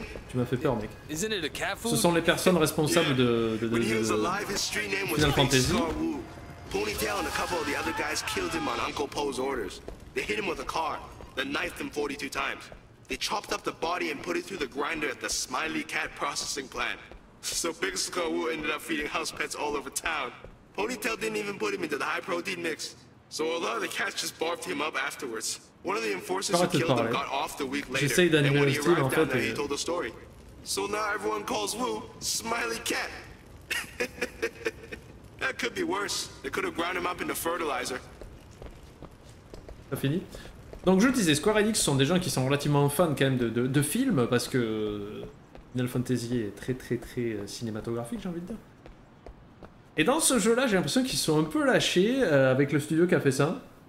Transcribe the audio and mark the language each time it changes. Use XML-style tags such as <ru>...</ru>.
<fr>Tu m'as fait peur, mec. Ce sont les personnes responsables de Final Fantasy.</fr> <en>Ponytail and a couple of the other guys killed him on Uncle Po's orders. They hit him with a car. Then knifed him 42 times. They chopped up the body and put it through the grinder at the Smiley Cat processing plant. So Big Skull Wu ended up feeding house pets all over town. Ponytail didn't even put him into the high protein mix. So a lot of the cats just barfed him up afterwards. One of the enforcers who killed him got off the week later. And when he arrived down there, he told the story. So now everyone calls Wu Smiley Cat. That could be worse. They could have ground him up into fertilizer.</en> <fr>T'as fini? Donc je disais, Square Enix sont des gens qui sont relativement fans quand même de films, parce que Final Fantasy est très très très cinématographique, j'ai envie de dire. Et dans ce jeu-là, j'ai l'impression qu'ils sont un peu lâchés avec le studio qui a fait ça.</fr>